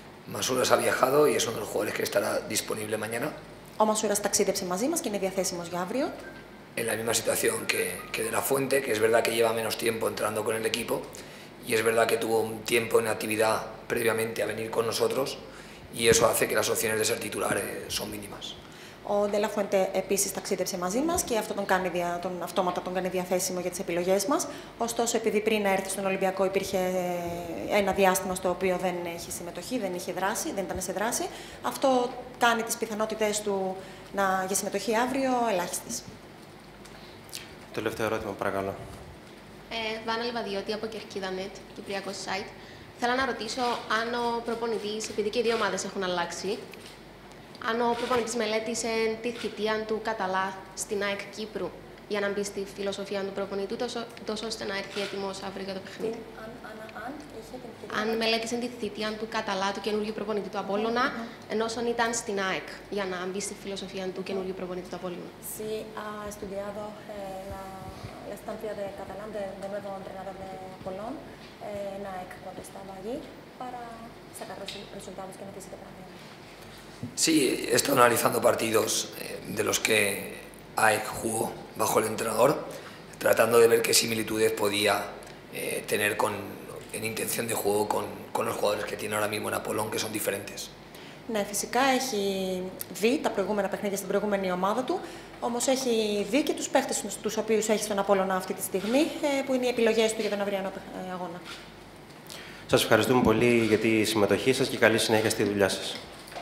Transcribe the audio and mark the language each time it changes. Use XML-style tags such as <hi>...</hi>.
<es>Μασούρας ha viajado y es uno de los jugadores que estará disponible mañana.</es> <el>Ο Μασούρας ταξίδεψε μαζί μας και είναι διαθέσιμος για αύριο.</el> <es>En la misma situación que de la Fuente, que es verdad que lleva menos tiempo entrando con el equipo y es verdad que tuvo un tiempo en actividad previamente a venir con nosotros y eso hace que las opciones de ser titular son mínimas.</es> <el>Ο De La Fuente επίσης ταξίδεψε μαζί μας και αυτό τον κάνει διαθέσιμο για τις επιλογές μας. Ωστόσο, επειδή πριν έρθει στον Ολυμπιακό υπήρχε ένα διάστημα στο οποίο δεν είχε συμμετοχή, δεν είχε δράση, δεν ήταν σε δράση, αυτό κάνει τις πιθανότητες του για συμμετοχή αύριο ελάχιστες. Το τελευταίο ερώτημα, παρακαλώ. Βάνα Λιβαδιώτη από Κερκίδα.net, κυπριακό site. Θέλω να ρωτήσω αν ο προπονητής, επειδή και οι δύο ομάδες έχουν αλλάξει. Αν ο προπονητής μελέτησε τη θητεία του Καταλά στην ΑΕΚ Κύπρου για να μπει στη φιλοσοφία του προπονητού, τόσο ώστε να έρθει έτοιμος αύριο για το παιχνίδι. Αν αν μελέτησε τη θητεία του Καταλά, του καινούριου προπονητή του Απόλλωνα, ενώ όσον ήταν στην ΑΕΚ, για να μπει στη φιλοσοφία του καινούριου προπονητή του Απόλλωνα.</el> <es>Sí, ha estudiado la estancia de Catalán, de nuevo entrenador de Apolón, en ΑΕΚ, cuando estaba allí, para sacar los resultados que necesite para mí. Sí, he estado analizando partidos de los que ΑΕΚ jugó bajo el entrenador, tratando de ver qué similitudes podía tener con en intención de juego con los jugadores que tiene ahora mismo en Apolón, que son diferentes.</es> <el>Ναι, φυσικά έχει δει τα προηγούμενα παιχνίδια στην προηγούμενη ομάδα του, όμως έχει δει και τους παίχτες τους οποίους έχει στον Απόλλωνα αυτή τη στιγμή, που είναι οι επιλογές του για τον αυριανό αγώνα. Σας ευχαριστούμε πολύ για τη συμμετοχή σας και καλή συνέχεια στη δουλειά σας.</el>